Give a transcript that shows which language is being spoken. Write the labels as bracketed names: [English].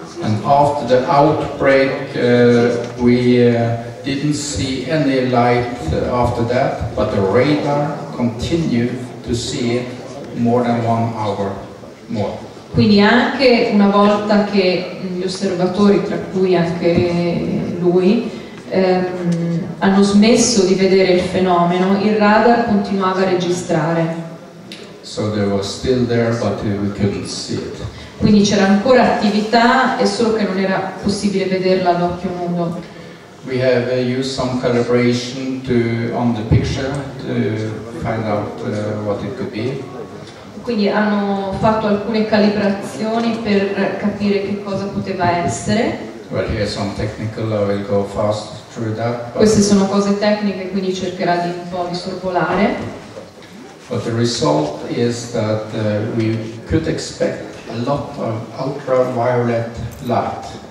[English] And after the outbreak we didn't see any light after that, but the radar continued to see it more than 1 hour more. [Italian] Quindi anche una volta che gli osservatori, tra cui anche lui, hanno smesso di vedere il fenomeno, il radar continuava a registrare. [English] So they were still there, but we couldn't see it. [Italian] Quindi c'era ancora attività, è solo che non era possibile vederla ad occhio nudo. [English] We have used some calibration on the picture to find out what it could be. [Italian] Quindi hanno fatto alcune calibrazioni per capire che cosa poteva essere. [English] Well, here's some technical, I will go fast through that. [Italian] Queste sono cose tecniche, quindi cercherà di un po' di sorvolare. [English] But the result is that we could expect a lot of ultraviolet light.